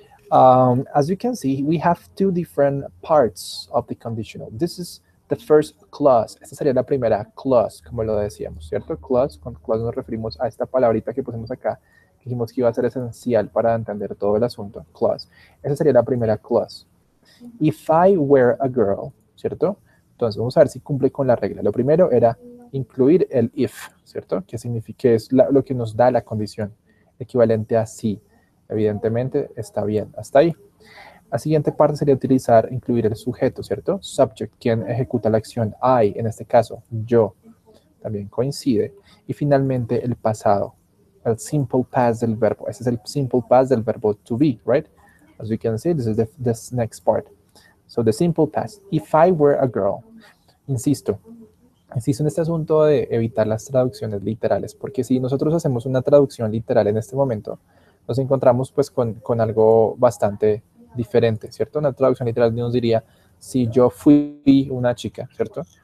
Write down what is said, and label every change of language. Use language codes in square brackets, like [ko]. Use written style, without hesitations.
[en] As you can see, we have two different parts of the conditional. This is the first clause. [es] Esta sería la primera clause, como lo decíamos, ¿cierto? Clause, con clause nos referimos a esta palabrita que pusimos acá, que dijimos que iba a ser esencial para entender todo el asunto, clause. Esa sería la primera clause. If I were a girl, ¿cierto? Entonces, vamos a ver si cumple con la regla. Lo primero era incluir el if, ¿cierto? Que significa que es lo que nos da la condición equivalente a sí. Evidentemente, está bien. Hasta ahí. La siguiente parte sería utilizar, incluir el sujeto, ¿cierto? Subject, quien ejecuta la acción. I, en este caso, yo. También coincide. Y finalmente, el pasado. El simple past del verbo. Ese es el simple past del verbo to be, right? [en] As we can see, this is this next part. So, the simple past. If I were a girl. [es] Insisto en este asunto de evitar las traducciones literales, porque si nosotros hacemos una traducción literal en este momento, nos encontramos pues con algo bastante diferente, ¿cierto? Una traducción literal nos diría, si yo fui una chica, ¿cierto?